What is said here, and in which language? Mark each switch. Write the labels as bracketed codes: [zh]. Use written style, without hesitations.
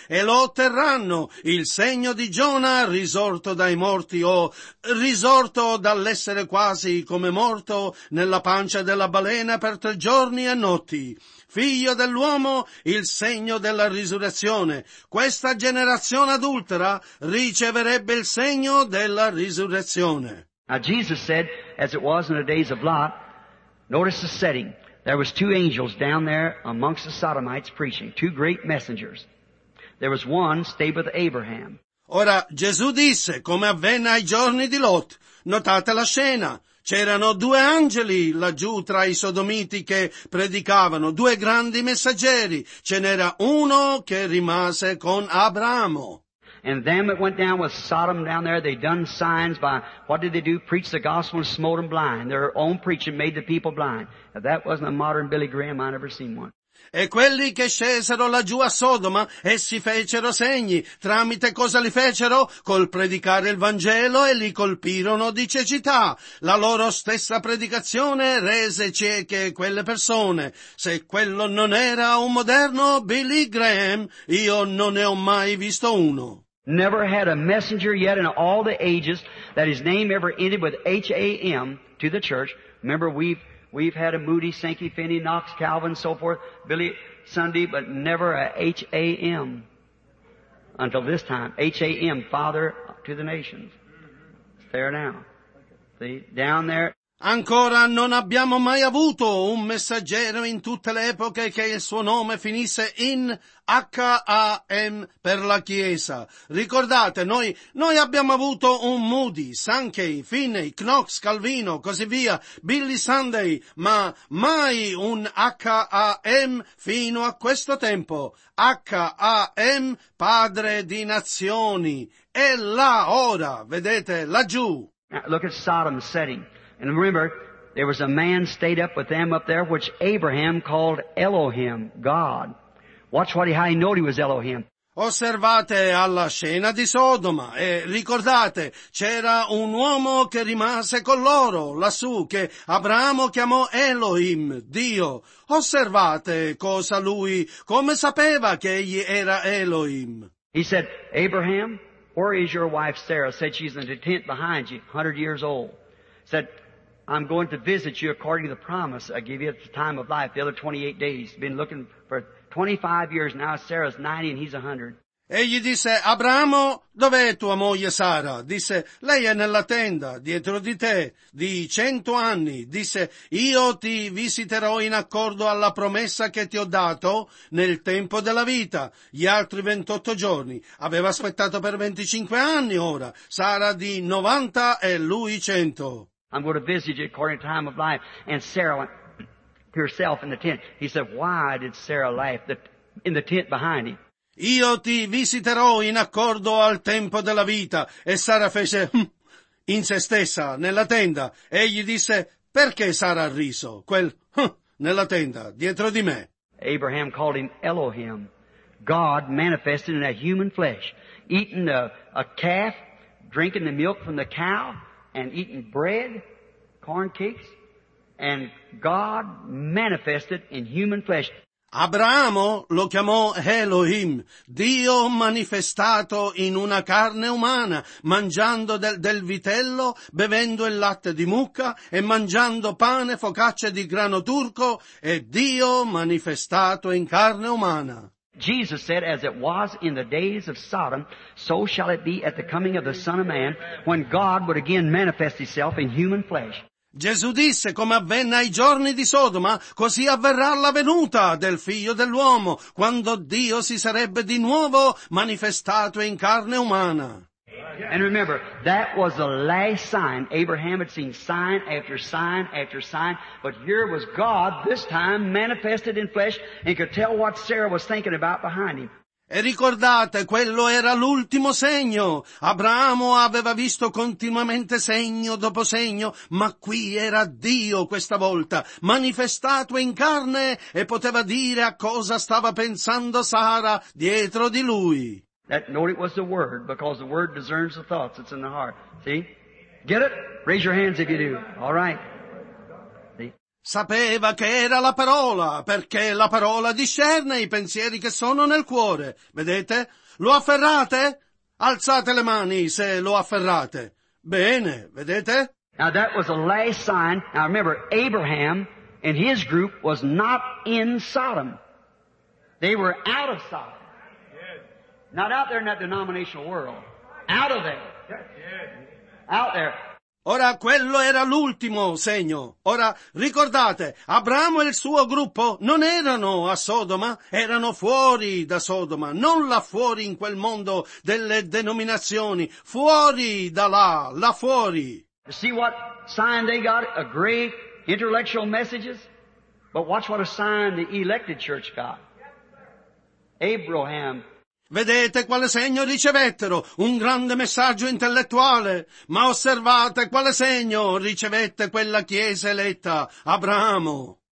[it] E lo otterranno, il segno di Giona risorto dai morti o risorto dall'essere quasi come morto nella pancia della balena per 3 giorni e notti. Figlio dell'uomo, il segno della risurrezione. Questa generazione adultera riceverebbe il segno della risurrezione. [en] Now Jesus said, as it was in the days of Lot, notice the setting. There was 2 angels down there amongst the Sodomites preaching, 2 great messengers. There was one stayed with Abraham. [it] Ora Gesù disse, come avvenne ai giorni di Lot. Notate la scena. C'erano 2 angeli laggiù tra i sodomiti che predicavano, 2 grandi messaggeri. Ce n'era uno che rimase con Abramo. [en] And them that went down with Sodom down there, they done signs by, what did they do? Preach the gospel and smote them blind. Their own preaching made the people blind. If that wasn't a modern Billy Graham, I never seen one. [it] E quelli che scesero laggiù a Sodoma, essi fecero segni. Tramite cosa li fecero? Col predicare il Vangelo e li colpirono di cecità. La loro stessa predicazione rese cieche quelle persone. Se quello non era un moderno Billy Graham, io non ne ho mai visto uno. [en] Never had a messenger yet in all the ages that his name ever ended with H-A-M to the church. Remember, We've had a Moody, Sankey, Finney, Knox, Calvin, so forth, Billy Sunday, but never a H-A-M until this time. H-A-M, Father to the Nations. It's there now. See, down there. [it] Ancora non abbiamo mai avuto un messaggero in tutte le epoche che il suo nome finisse in H-A-M per la Chiesa. Ricordate, noi abbiamo avuto un Moody, Sankey, Finney, Knox, Calvino, così via, Billy Sunday, ma mai un H-A-M fino a questo tempo. H-A-M, Padre di Nazioni. È là ora, vedete, laggiù. [en] Look at Sodom's setting. And remember, there was a man stayed up with them up there, which Abraham called Elohim, God. Watch what he knew he was Elohim. [it] Osservate alla scena di Sodoma e ricordate, c'era un uomo che rimase con loro lassù, che Abramo chiamò Elohim, Dio. Osservate cosa lui, come sapeva che egli era Elohim. [en] He said, Abraham, where is your wife Sarah? Said she's in the tent behind you, 100 years old. Said, I'm going to visit you according to the promise I give you at the time of life, the other 28 days. Been looking for 25 years now. Sarah's 90 and he's 100. [it] E gli disse, Abramo, dov'è tua moglie Sara? Disse, lei è nella tenda, dietro di te, di 100 anni. Disse, io ti visiterò in accordo alla promessa che ti ho dato nel tempo della vita, gli altri 28 giorni. Aveva aspettato per 25 anni ora. Sara di 90 e lui 100. [en] I'm going to visit you according to time of life. And Sarah went, yourself in the tent. He said, why did Sarah laugh in the tent behind him? [it] Io ti visiterò in accordo al tempo della vita. E Sara fece in se stessa, nella tenda. Egli disse, perché Sara ha riso? Quel nella tenda, dietro di me. [en] Abraham called him Elohim, God manifested in a human flesh, eating a calf, drinking the milk from the cow, and eating bread, corn cakes, and God manifested in human flesh. [it] Abramo lo chiamò Elohim, Dio manifestato in una carne umana, mangiando del vitello, bevendo il latte di mucca e mangiando pane, focacce di grano turco, e Dio manifestato in carne umana. [en] Jesus said, as it was in the days of Sodom, so shall it be at the coming of the Son of Man, when God would again manifest himself in human flesh. [it] Gesù disse, come avvenne ai giorni di Sodoma, così avverrà la venuta del Figlio dell'uomo, quando Dio si sarebbe di nuovo manifestato in carne umana. [en] And remember, that was the last sign. Abraham had seen sign after sign after sign, but here was God, this time manifested in flesh, and could tell what Sarah was thinking about behind him. [it] E ricordate, quello era l'ultimo segno. Abramo aveva visto continuamente segno dopo segno, ma qui era Dio questa volta, manifestato in carne, e poteva dire a cosa stava pensando Sara dietro di lui. [en] That note it was the word, because the word discerns the thoughts that's in the heart. See? Get it? Raise your hands if you do. All right. [it] Sapeva che era la parola, perché la parola discerne i pensieri che sono nel cuore. Vedete? Lo afferrate? Alzate le mani se lo afferrate. Bene, vedete? [en] Now that was the last sign. Now remember, Abraham and his group was not in Sodom. They were out of Sodom. Yes. Not out there in that denominational world. Out of there. Yes. Out there. [it] Ora, quello era l'ultimo segno. Ora, ricordate, Abramo e il suo gruppo non erano a Sodoma, erano fuori da Sodoma, non là fuori in quel mondo delle denominazioni, fuori da là, là fuori. [en] You see what sign they got? A great intellectual messages? But watch what a sign the elected church got. Abraham. [it] Vedete quale segno ricevettero? Un grande messaggio intellettuale. Ma osservate quale segno ricevette quella chiesa eletta, Abramo.